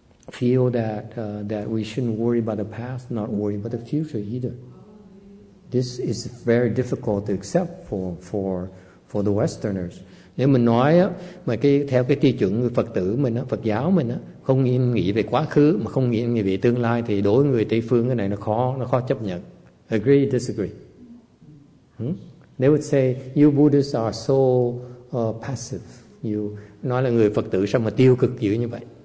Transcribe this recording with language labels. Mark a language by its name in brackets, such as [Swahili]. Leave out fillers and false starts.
[English] feel that that we shouldn't worry about the past, not worry about the future either. This is very difficult to accept for the Westerners. [Vietnamese] Nếu mình nói mà cái theo cái tiêu chuẩn Phật tử mình á, Phật giáo mình á, không nghĩ về quá khứ mà không nghĩ về tương lai thì đối với người Tây phương cái này nó khó chấp nhận. [English] Agree, disagree. They would say you Buddhists are so passive. You [Vietnamese] nói là người Phật tử sao mà tiêu cực dữ như vậy.